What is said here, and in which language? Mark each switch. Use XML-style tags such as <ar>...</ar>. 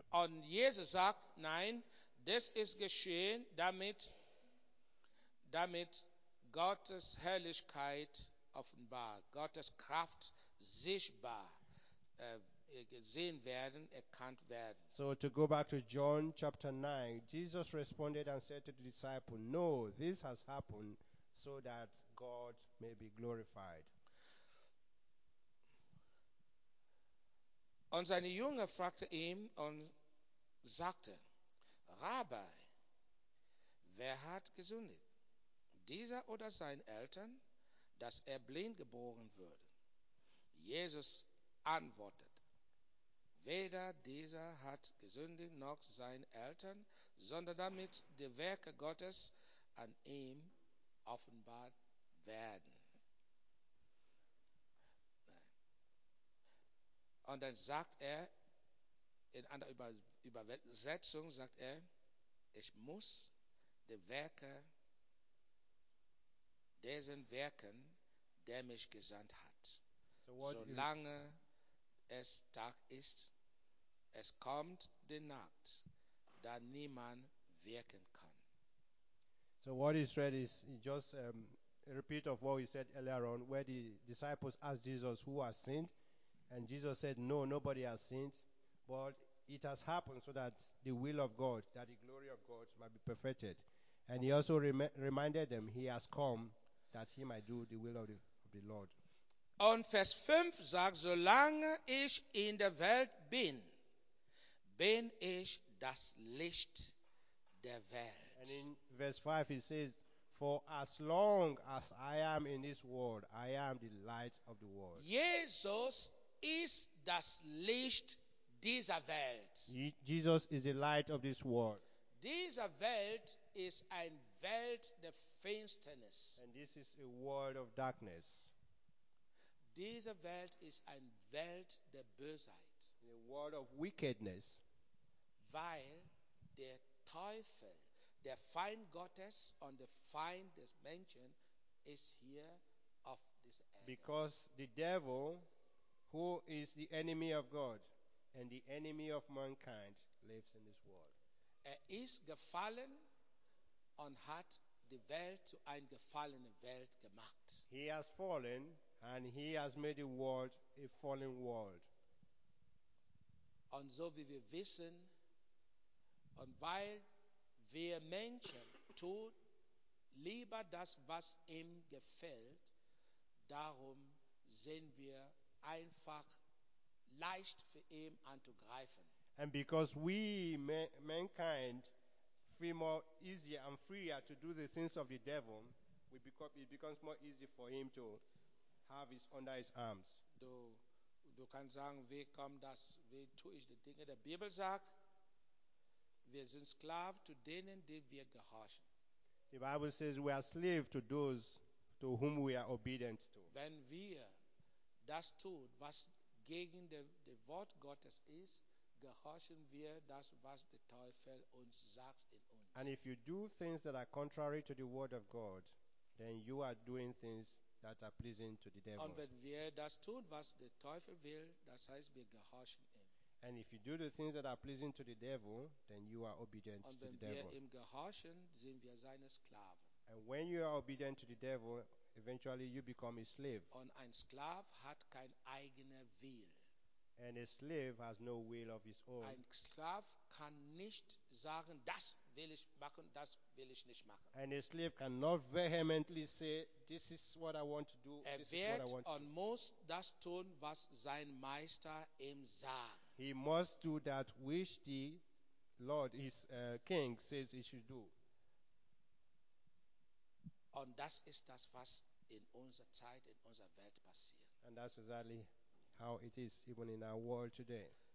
<de>Und Jesus sagt, nein, das ist geschehen, damit Gottes Herrlichkeit offenbar, Gottes Kraft sichtbar gesehen werden, erkannt werden.</de> <en>So to go back to John chapter 9, Jesus responded and said to the disciple, no, this has happened so that God may be glorified.</en> <de>Und seine Jünger fragte ihn und sagte, Rabbi, wer hat gesündigt, dieser oder seine Eltern, dass er blind geboren würde? Jesus antwortete, weder dieser hat gesündigt noch seine Eltern, sondern damit die Werke Gottes an ihm offenbart werden. Und dann sagt er, in einer Übersetzung sagt er, ich muss die Werke, diesen Werken, der mich gesandt hat. Solange es Tag ist, es kommt die Nacht, da niemand wirken kann.</de> <en>So what is read is just a repeat of what we said earlier on, where the disciples asked Jesus who has sinned, and Jesus said, no, nobody has sinned, but it has happened so that the will of God, that the glory of God might be perfected. And he also reminded them, he has come that he might do the will of the Lord.</en> <de>Und Vers 5 sagt, solange ich in der Welt bin, bin ich das Licht der Welt.</de> <en>And in verse 5 it says, for as long as I am in this world, I am the light of the world.</en> <de>Jesus ist das Licht dieser Welt.</de> <en>Jesus is the light of this world.</en> <de>Diese Welt ist eine Welt der Finsternis.</de> <en>And this is a world of darkness.</en> <de>Diese Welt ist eine Welt der Bösheit.</de> <en>A world of wickedness.</en> <de>Weil der Teufel, der Feind Gottes und der Feind des Menschen ist hier auf</de> <en>this earth. Because the devil, who is the enemy of God and the enemy of mankind, lives in this world.</en> <de>Er ist gefallen und hat die Welt zu einer gefallenen Welt gemacht.</de> <en>He has fallen and he has made the world a fallen world.</en> <de>Und so wie wir wissen, und weil wir Menschen tun lieber das, was ihm gefällt, darum sind wir einfach leicht für ihn anzugreifen.</de> <en>And because we, mankind, feel more easier and freer to do the things of the devil, it becomes more easy for him to have is under his arms.</en> <de>Du kannst sagen, wie kommt das, wie tue ich die Dinge? Die Bibel sagt, wir sind Sklaven zu denen, die wir gehorchen.</de> <en>The Bible says we are slaves to those to whom we are obedient to.</en> <de>Wenn wir das tun, was gegen das Wort Gottes ist, gehorchen wir das, was der Teufel uns sagt in uns.</de> <en>And if you do things that are contrary to the word of God, then you are doing things that are pleasing to the devil.</en> <de>Und wenn wir das tun, was der Teufel will, das heißt, wir gehorchen ihm.</de> <en>And if you do the things that are pleasing to the devil, then you are obedient to the devil.</en> <de>Und wenn wir ihm gehorchen, sind wir seine Sklaven.</de> <en>And when you are obedient to the devil, eventually you become a slave.</en> <de>Und ein Sklave hat kein eigener Will.</de> <en>And a slave has no will of his own.</en> <de>Ein Sklave kann nicht sagen, das will ich machen, das will ich nicht machen.</de> <en>And a slave cannot vehemently say, this is what I want to do,</en> <de>und muss das tun, was sein Meister ihm sagt.</de> <en>He must do that which the Lord, his king, says he should do.</en> <de>Und das ist das, was in unserer Zeit, in unserer Welt passiert.</de> <en>And that's exactly how it is even in our world today.</en>